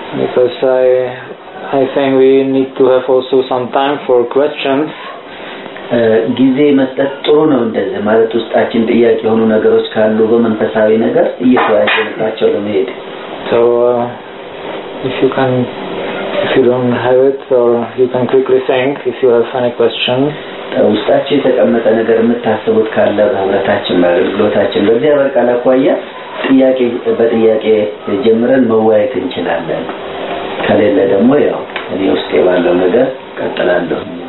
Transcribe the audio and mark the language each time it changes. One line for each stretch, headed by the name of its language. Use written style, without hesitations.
English: I think we need to have also some time for questions.
Amharic: ጊዜ መስጠት ጥሩ ነው እንደዚህ ማለት ውስጣችን ጥያቄ የሆኑ ነገሮች ካሉ በመንፈሳዊ ነገር እየተወያየንባቸው ለመሄድ
English: So if you don't have it or you can quickly think if you have any question.
Amharic: ውስጣችን የተቀመጠ ነገር የምታስቡት ካለ በህብረታችን በአገልግሎታችን በእግዚአብሔር ቃል አኳያ ጥያቄ በጥያቄ ጀምረን መወያየት እንችላለን። ከሌለ ደግሞ ያው እኔ ውስጤ ባለው ነገር ቀጥላለሁ።